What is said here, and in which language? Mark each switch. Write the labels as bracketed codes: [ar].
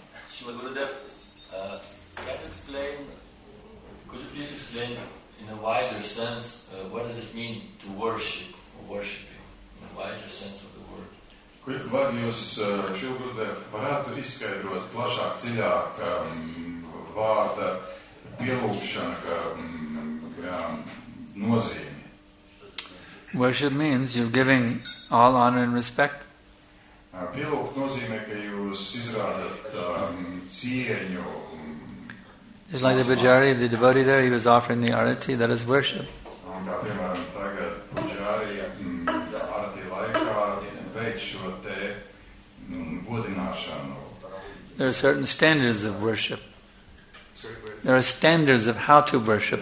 [en] Srila Gurudev, could you please explain in a wider sense what does it mean to worship or worshiping in a wider sense of the word? [lv] Vai jūs, Srila Gurudev, varētu izskaidrot plašāk, dziļāk vārda pielūkšana, ka nozīme? [en] Worship means you're giving all honor and respect. [lv] Pielūkt nozīmē, ka jūs izrādat cieņu. [en] It's like the Bajari, the devotee there, he was offering the arati, that is worship. [lv] Un kā piemēram tagad Bajari arati laikā veic šo te godināšanu. [en] There are certain standards of worship. There are standards of how to worship.